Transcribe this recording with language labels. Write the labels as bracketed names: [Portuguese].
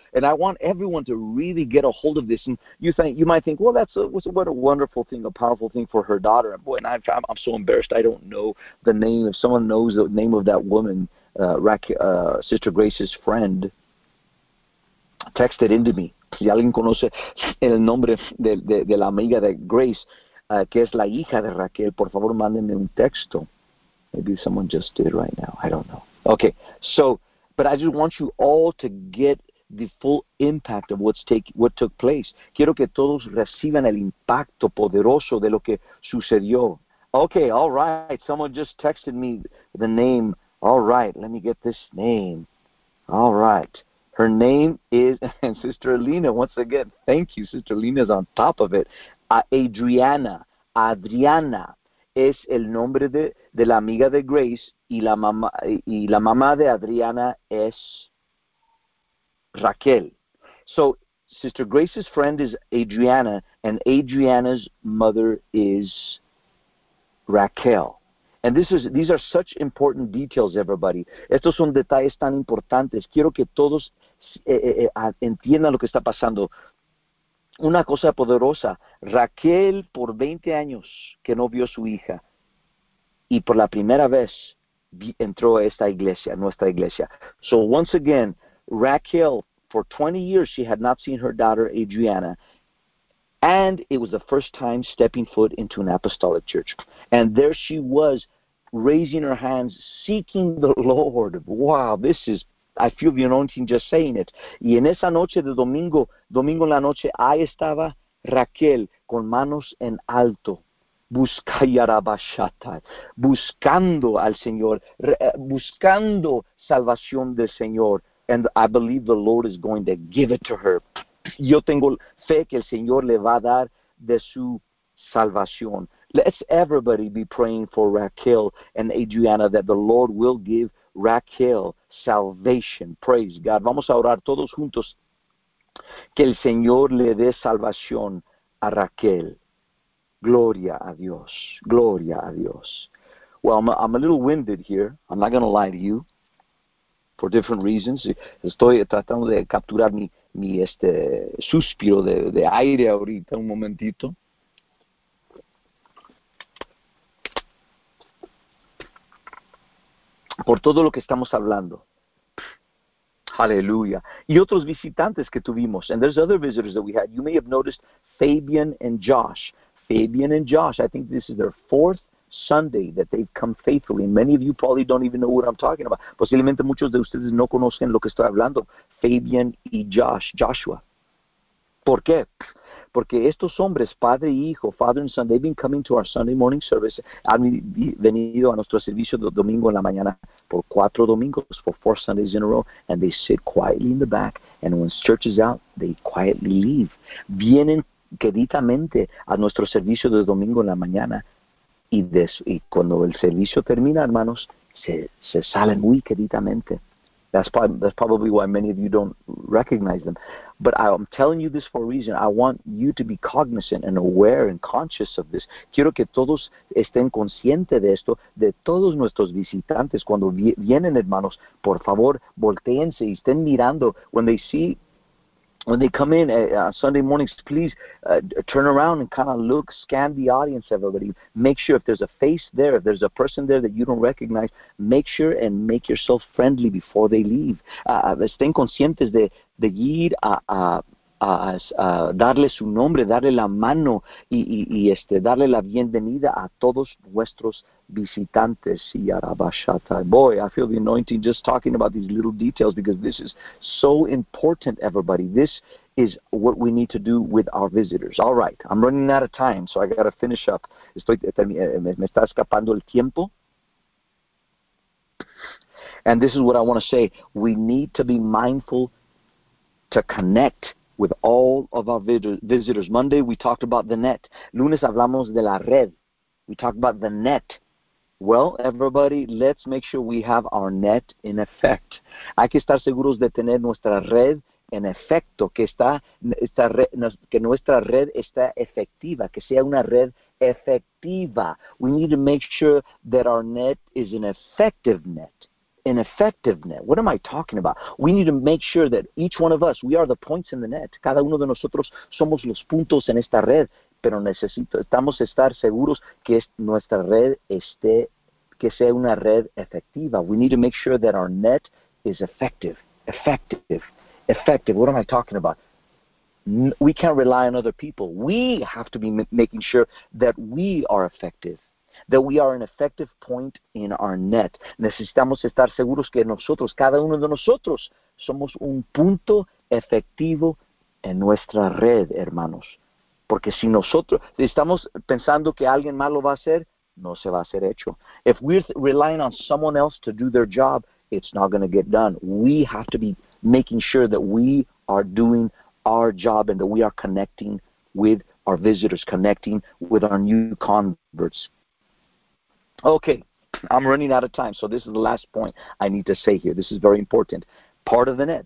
[English] And I want everyone to really get a hold of this. And you might think, well, what a wonderful thing, a powerful thing for her daughter. Boy, and I'm so embarrassed. I don't know the name. If someone knows the name of that woman, Sister Grace's friend, text it into me. [Spanish] Si alguien conoce el nombre de la amiga de Grace, que es la hija de Raquel, por favor, mándenme un texto. [English] Maybe someone just did right now. I don't know. Okay. So, but I just want you all to get the full impact of what took place. [Spanish] Quiero que todos reciban el impacto poderoso de lo que sucedió. [English] Okay, all right. Someone just texted me the name. All right, let me get this name. All right. Her name is Sister Lena. Once again, thank you, Sister Lena's on top of it. [Spanish] Adriana, Adriana es el nombre de la amiga de Grace y la mamá de Adriana es Raquel. [English] So, Sister Grace's friend is Adriana, and Adriana's mother is Raquel. And these are such important details, everybody. [Spanish] Estos son detalles tan importantes. Quiero que todos entiendan lo que está pasando. Una cosa poderosa, Raquel por 20 años que no vio a su hija y por la primera vez entró a esta iglesia, nuestra iglesia. [English] So once again, Raquel, for 20 years she had not seen her daughter Adriana, and it was the first time stepping foot into an apostolic church. And there she was, raising her hands, seeking the Lord. Wow, this is, I feel the anointing just saying it. [Spanish] Y en esa noche de domingo, domingo en la noche, ahí estaba Raquel con manos en alto, buscando al Señor, buscando salvación del Señor. [English] And I believe the Lord is going to give it to her. [Spanish] Yo tengo fe que el Señor le va a dar de su salvación. [English] Let's everybody be praying for Raquel and Adriana that the Lord will give Raquel salvation. Praise God. [Spanish] Vamos a orar todos juntos que el Señor le dé salvación a Raquel. Gloria a Dios. Gloria a Dios. [English] Well, I'm a little winded here. I'm not going to lie to you for different reasons. [Spanish] Estoy tratando de capturar mi suspiro de aire ahorita, un momentito. Por todo lo que estamos hablando. Aleluya. Y otros visitantes que tuvimos. [English] And there's other visitors that we had. You may have noticed Fabian and Josh. Fabian and Josh, I think this is their fourth Sunday that they've come faithfully. Many of you probably don't even know what I'm talking about. [Spanish] Posiblemente muchos de ustedes no conocen lo que estoy hablando. Fabian y Josh, Joshua. ¿Por qué? Porque estos hombres, padre y hijo, [English] father and son, they've been coming to our Sunday morning service, [Spanish] han venido a nuestro servicio de domingo en la mañana por 4 domingos, [English] for 4 Sundays in a row, and they sit quietly in the back, and when church is out, they quietly leave. [Spanish] Vienen queditamente a nuestro servicio de domingo en la mañana y cuando el servicio termina, hermanos, se salen muy queditamente. [English] That's probably why many of you don't recognize them. But I'm telling you this for a reason. I want you to be cognizant and aware and conscious of this. [Spanish] Quiero que todos estén conscientes de esto, de todos nuestros visitantes. Cuando vienen, hermanos, por favor, volteense y estén mirando. [English] When they come in on Sunday mornings, please turn around and kind of look, scan the audience, everybody. Make sure if there's a face there, if there's a person there that you don't recognize, make sure and make yourself friendly before they leave. [Spanish] Estén conscientes de ir a darle su nombre, darle la mano y darle la bienvenida a todos nuestros visitantes. [English] Boy, I feel the anointing just talking about these little details because this is so important, everybody. This is what we need to do with our visitors. All right, I'm running out of time, so I got to finish up. [Spanish] Me está escapando el tiempo. [English] And this is what I want to say. We need to be mindful to connect with all of our visitors. Monday, we talked about the net. [Spanish] Lunes, hablamos de la red. [English] We talked about the net. Well, everybody, let's make sure we have our net in effect. [Spanish] Hay que estar seguros de tener nuestra red en efecto, que nuestra red está efectiva, que sea una red efectiva. [English] We need to make sure that our net is an effective net. An effective net. What am I talking about? We need to make sure that each one of us, we are the points in the net. [Spanish] Cada uno de nosotros somos los puntos en esta red. Pero necesitamos estar seguros que nuestra red esté, que sea una red efectiva. [English] We need to make sure that our net is effective. Effective. Effective. What am I talking about? We can't rely on other people. We have to be making sure that we are effective. That we are an effective point in our net. [Spanish] Necesitamos estar seguros que nosotros, cada uno de nosotros, somos un punto efectivo en nuestra red, hermanos. Porque si nosotros, si estamos pensando que alguien más lo va a hacer, no se va a hacer hecho. [English] If we're relying on someone else to do their job, it's not going to get done. We have to be making sure that we are doing our job and that we are connecting with our visitors, connecting with our new converts. Okay, I'm running out of time, so this is the last point I need to say here. This is very important. Part of the net.